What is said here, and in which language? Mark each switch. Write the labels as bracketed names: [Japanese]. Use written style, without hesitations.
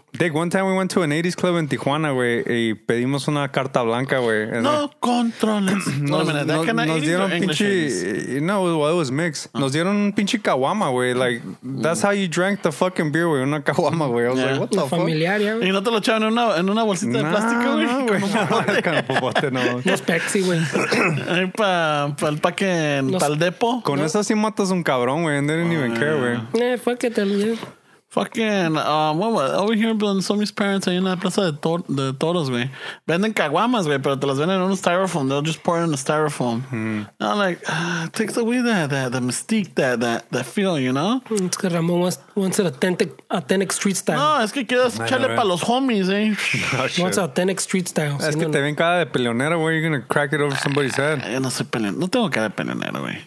[English] Dick, one time we went to an 80s club in Tijuana, güey, [Spanish] y pedimos una carta blanca, [English] güey. [Spanish] No controles. Nos dieron pinche. [English] No, well, it was mixed. Oh. [Spanish] Nos dieron un pinche caguama, güey. [English] Like, that's how you drank the fucking beer, güey. [Spanish] Una caguama, [English] güey. I was like, what the familiar, fuck? [Spanish] Y no te lo echaron en una bolsita de plástico, güey. No, güey. No, es Pepsi, güey. Ahí pa el paque, pa el depo. Con eso sí matas un cabrón, güey. [English] And they didn't even care, [Spanish] güey. [English] Fuck it, tell you. Fucking, over here with Somi's parents, [Spanish] ahí en la plaza de toros, [English] güey. [Spanish] Venden caguamas, güey, pero te las venden en un styrofoam. [English] They'll just pour it in the styrofoam. Mm. And I'm like, it takes away the mystique, that feel, you know? [Spanish] Es que [English] Ramón wants it authentic street style. [Spanish] No, es que quieres echarle para los homies, eh. [English] No, wants authentic street style. [Spanish] Es que te ven cara de peleonero, güey. [English] You're gonna crack it over somebody's head. [Spanish] Yo no soy peleonero. No tengo cara de peleonero, güey.